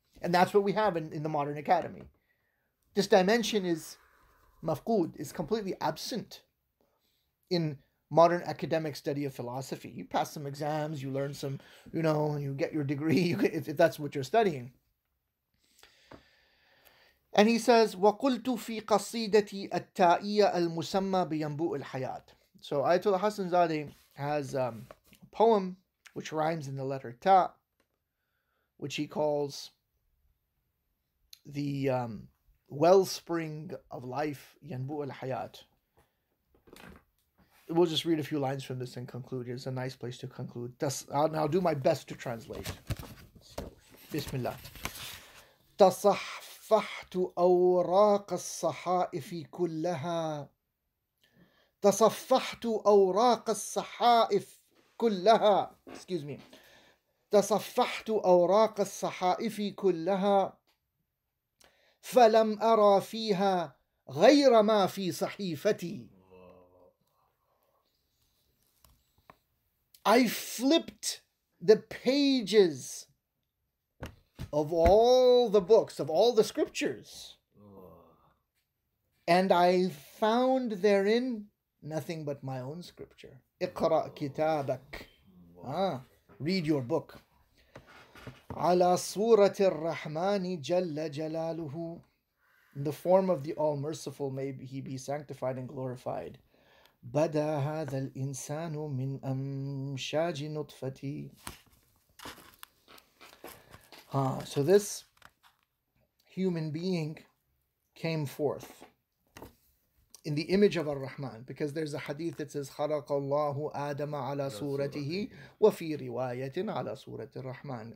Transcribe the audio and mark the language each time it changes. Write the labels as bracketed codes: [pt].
[en] And that's what we have in the modern academy. This dimension is مفقود, is completely absent in modern academic study of philosophy. You pass some exams, you learn some, you know, and you get your degree, if that's what you're studying. And he says, [ar] وَقُلْتُ فِي قَصِيدَتِي التَّائِيَّ الْمُسَمَّى بِيَنْبُؤِ الْحَيَاةِ. [en] So Ayatollah Hassan Zadeh has a poem which rhymes in the letter ta, which he calls the wellspring of life, [ar] يَنْبُؤِ الْحَيَاةِ. [en] We'll just read a few lines from this and conclude. It's a nice place to conclude. I'll do my best to translate. [ar] Bismillah. تصحفحت أوراق الصحائف كلها. تصفحت أوراق الصحائف كلها. [en] Excuse me. [ar] تصفحت أوراق الصحائف كلها. فلم أرى فيها غير ما في صحيفتي. [en] I flipped the pages of all the books, of all the scriptures, and I found therein nothing but my own scripture. [ar] اقرأ كتابك. [en] Read your book. [ar] على صورة الرحمن جل جلاله. [en] In the form of the All-Merciful, may he be sanctified and glorified. [ar] بدا هذا الإنسان من أمشاج نطفتي. [en] So this human being came forth in the image of Ar-Rahman, because there's a hadith that says [ar] خَلَقَ اللَّهُ آدَمَ عَلَى سُورَتِهِ وَفِي رِوَايَةٍ عَلَى سُورَةِ الرَّحْمَانِ.